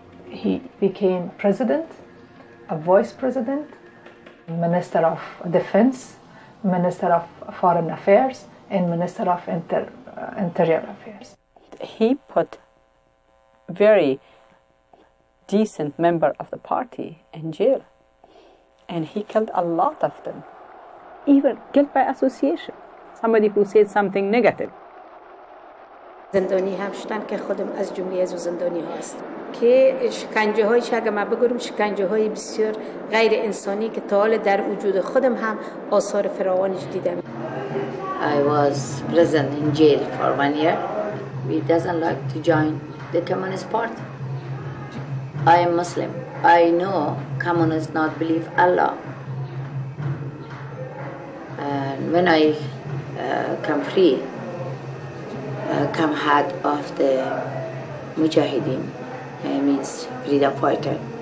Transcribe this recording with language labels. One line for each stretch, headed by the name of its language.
English: He became president, a vice president, minister of defense, minister of foreign affairs, and minister of interior affairs. He put very decent member of the party in jail, and he killed a lot of them, even guilt by association, somebody who said something negative.
Persian: زندانی هم شدن که خودم از جمله از زندانی هست که شکنجه های چه اگه من بگرم شکنجه های بسیار غیر انسانی که تا حال در وجود خودم هم آثار فراوانش دیدم.
English: I was prison in jail for 1 year. He doesn't like to join the communist party. I am Muslim. I know communists not believe Allah. And when I come free, come head of the Mujahideen, means freedom fighter.